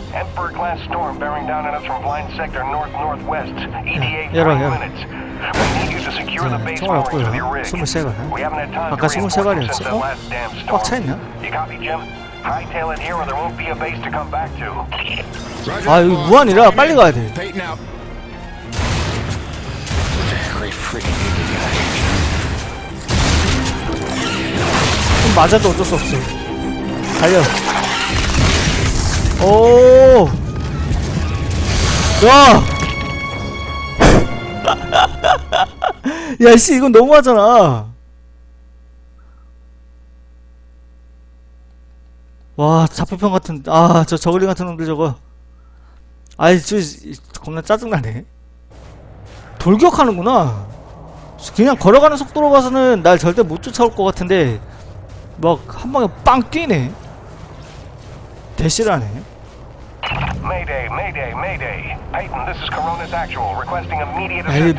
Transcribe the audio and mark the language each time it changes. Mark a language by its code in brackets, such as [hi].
[en] Emperor-class storm bearing down on us from blind sector north-northwest. ETA 3 minutes. We need you to secure the base moorings with your rig. [ko] 23발, 네? [en] We haven't had time to reinforce them since that last damn storm. You copy, Jim? Hightail it here or there won't be a base to come back to. [ko] 아, 이거 무한이라 빨리 가야 돼. [en] Peyton out. Very freaking good guy. [ko] 좀 맞아도 어쩔 수 없어. 달려. 오. 야. 야, 씨, 이건 너무하잖아. 와, 자폭평 같은, 아, 저 저글링 같은 놈들 저거. 아이, 저, 겁나 짜증나네. 돌격하는구나. 그냥 걸어가는 속도로 가서는 날 절대 못 쫓아올 것 같은데, 막, 한 방에 빵 뛰네. 대시라네. [en] Mayday, mayday, mayday. Peyton, this is Corona's Actual, requesting immediate assistance.